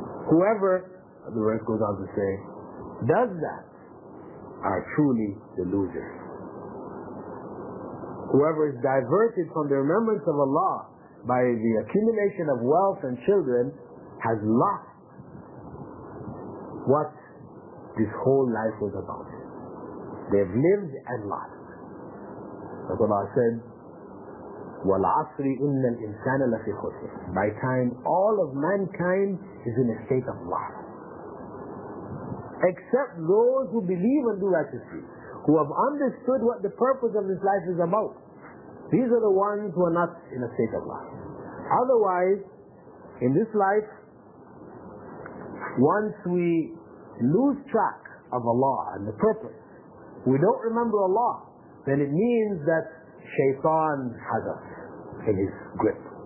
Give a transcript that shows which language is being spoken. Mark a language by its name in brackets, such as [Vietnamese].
[English] Whoever, the verse goes on to say, does that, are truly the losers. Whoever is diverted from the remembrance of Allah by the accumulation of wealth and children has lost what this whole life was about. They've lived and lost. That's what Allah said, [Arabic] وَالْعَصْرِ إِنَّ الْإِنسَانَ لَفِي خُسْرٍ. [English] By time, all of mankind is in a state of loss. Except those who believe and do righteously, who have understood what the purpose of this life is about. These are the ones who are not in a state of life. Otherwise, in this life, once we lose track of Allah and the purpose, we don't remember Allah, then it means that shaitan has us in his grip.